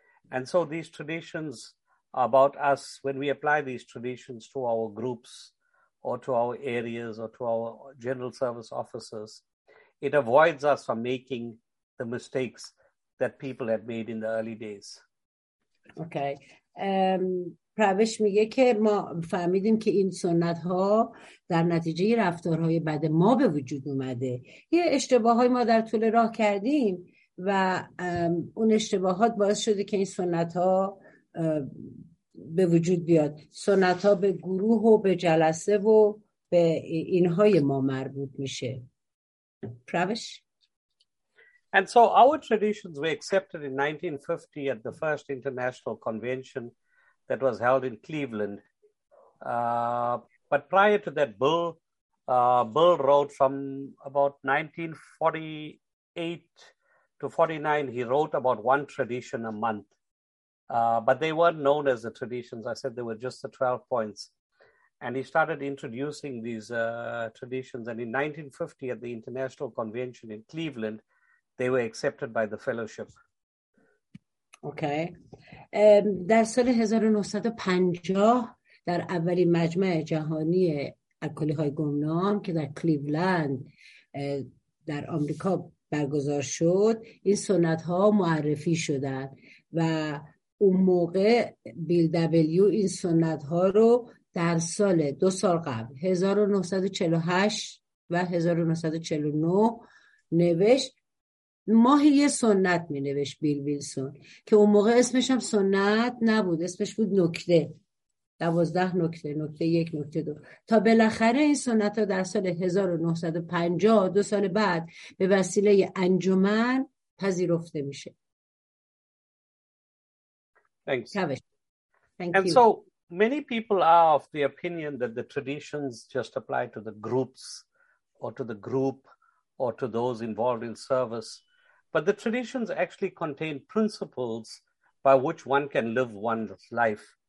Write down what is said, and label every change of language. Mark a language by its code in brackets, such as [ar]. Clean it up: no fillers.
[en] And so these traditions are about us when we apply these traditions to our groups or to our areas or to our general service officers. It avoids us from making the mistakes that people had made in the early days. Okay. [fa] پروش میگه که ما فهمیدیم که این سنت ها در نتیجه رفتارهای بد ما به وجود اومده. یه اشتباه های ما در طول راه کردیم و اون اشتباهات باعث شده که این سنت ها به وجود بیاد. سنت ها به گروه و به جلسه و به اینهای ما مربوط میشه. پروش؟ [en] And so our traditions were accepted in 1950 at the first international convention that was held in Cleveland. But prior to that, Bill wrote from about 1948 to 49, he wrote about one tradition a month. But they weren't known as the traditions. I said they were just the 12 points. And he started introducing these traditions. And in 1950 at the International Convention in Cleveland, they were accepted by the fellowship. Okay. [fa] در سال 1950 در اولین مجمع جهانی الکلی‌های گمنام که در کلیولند در آمریکا برگزار شد، این سنت‌ها معرفی شدند و اون موقع بیل دبلیو این سنت‌ها رو در سال دو سال قبل 1948 و 1949 نوشت. ماهی یه سنت می نوشت بیل ویلسون که اون موقع اسمش هم سنت نبود، اسمش بود نکته، 12 نکته، نکته 1، نکته 2، تا بالاخره این سنت ها در سال 1950 دو سال بعد به وسیله انجمن پذیرفته میشه. [en] Thanks. And so many people are of the opinion that the traditions just apply to the groups or to the group or to those involved in service. But the traditions actually contain principles by which one can live one's life.